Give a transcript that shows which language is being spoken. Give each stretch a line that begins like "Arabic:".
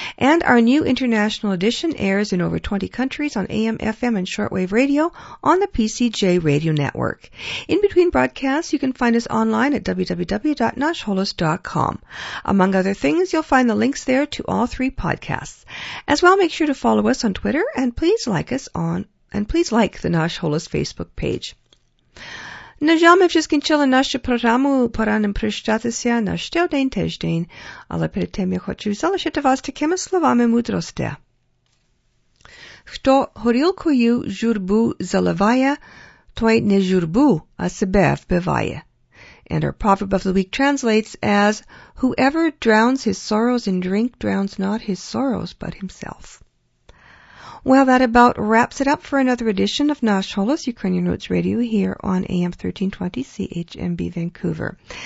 English: And our new international edition airs in over 20 countries on AM, FM, and shortwave radio on the PCJ Radio Network. In between broadcasts, you can find us online at www.nasholas.com. Among other things, you'll find the links there to all three podcasts. As well, make sure to follow us on Twitter and please like us on and please like the Nasholas Facebook page.
Ukrainian: Нажами вже скінчили нашу програму. Пора нам прощатися на ще один тиждень. Але перед тим я хочу залишити вас такими словами мудрості. Хто горілкою журбу заливає, той не журбу, а себе вбиває.
English: And our proverb of the week translates as, whoever drowns his sorrows in drink drowns not his sorrows but himself. Well, that about wraps it up for another edition of Nasholas Ukrainian Roots Radio here on AM 1320 CHMB Vancouver.